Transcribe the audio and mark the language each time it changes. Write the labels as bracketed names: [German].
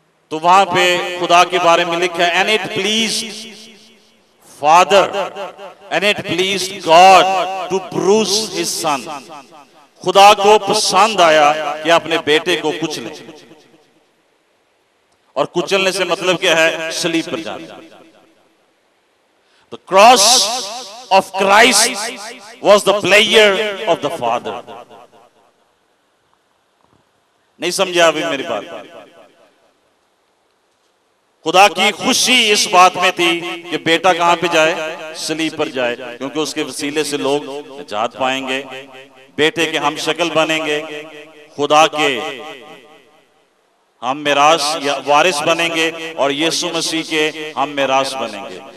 [Urdu] تو وہاں پہ خدا کے بارے میں لکھا ہے, [English] And it please father, and it please God to bruise his son. [Urdu] خدا کو پسند آیا کہ اپنے بیٹے کو کچلے, اور کچلنے سے مطلب کیا ہے؟ سلیب پر جانا. [English] The cross of Christ was the pleasure of the father. [Urdu] نہیں سمجھا ابھی میری بات؟ خدا کی خوشی اس بات میں تھی کہ بیٹا کہاں پہ جائے؟ سلیب پر جائے, کیونکہ اس کے وسیلے سے لوگ نجات پائیں گے, بیٹے کے ہم شکل بنیں گے, خدا کے ہم میراث یا وارث بنیں گے, اور یسوع مسیح کے ہم میراث بنیں گے.